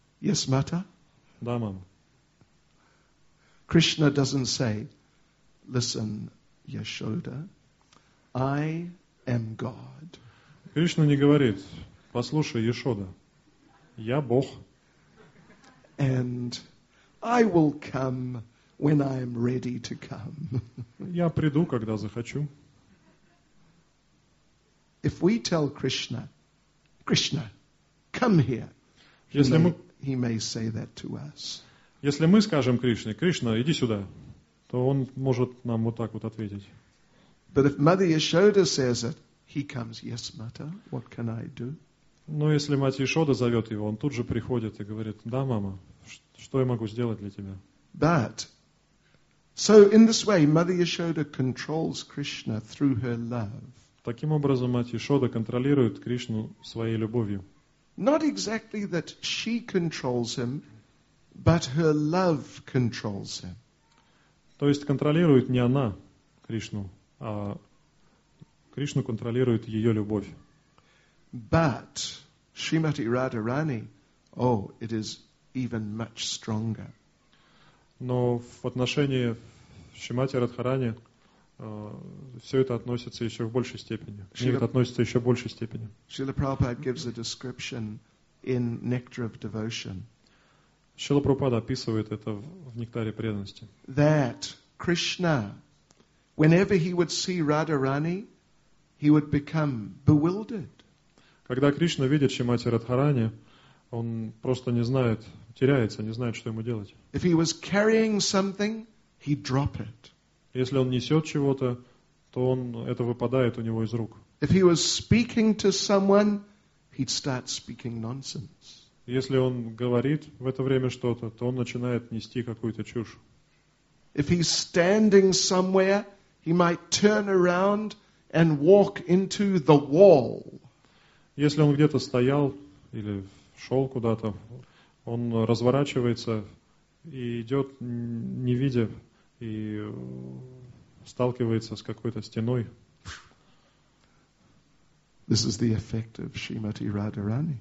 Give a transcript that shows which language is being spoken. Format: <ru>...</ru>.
<en>Yes, Mata.</en> <ru>Да, мама.</ru> <en>Krishna doesn't say, listen, Yashoda, I am God.</en> <ru>Кришна не говорит, послушай, Яшода, я Бог.</ru> <en>And I will come when I am ready to come.</en> <ru>Я приду, когда захочу.</ru> <en>If we tell Krishna, Krishna, come here. He may say that to us.</en> <ru>Если мы скажем Кришне, Кришна, иди сюда, то он может нам вот так вот ответить.</ru> <en>But if Mother Yashoda says it, he comes. Yes, Mata, what can I do?</en> <ru>Но если мать Яшода зовет его, он тут же приходит и говорит: Да, мама, что я могу сделать для тебя?</ru> <en>But so in this way, Mother Yashoda controls Krishna through her love.</en> <ru>Таким образом, мать Яшода контролирует Кришну своей любовью.</ru> <en>Not exactly that she controls him, but her love controls him.</en> <ru>То есть контролирует не она Кришну, а Кришну контролирует ее любовь.</ru> <en>But Shrimati Radharani, oh, it is even much stronger.</en> <ru>Но в отношении Шримати Радхарани все это относится еще в большей степени.</ru> <en>Шрила Прабхупада gives a description in Nectar of Devotion.</en> <ru>Шрила Прабхупада описывает это в Нектаре преданности.</ru> <en>That Krishna, whenever he would see Radharani, he would become bewildered.</en> <ru>Когда Кришна видит Шримати Радхарани, он просто не знает, теряется, не знает, что ему делать.</ru> <en>If he was carrying something, he'd drop it.</en> <ru>Если он несет чего-то, то он, это выпадает у него из рук.</ru> <en>If he was speaking to someone, he'd start speaking nonsense.</en> <ru>Если он говорит в это время что-то, то он начинает нести какую-то чушь.</ru> <en>If he's standing somewhere, he might turn around and walk into the wall.</en> <ru>Если он где-то стоял или шел куда-то, он разворачивается и идет, не видя, и сталкивается с какой-то стеной.</ru> <en>This is the effect of Shrimati Radharani.</en>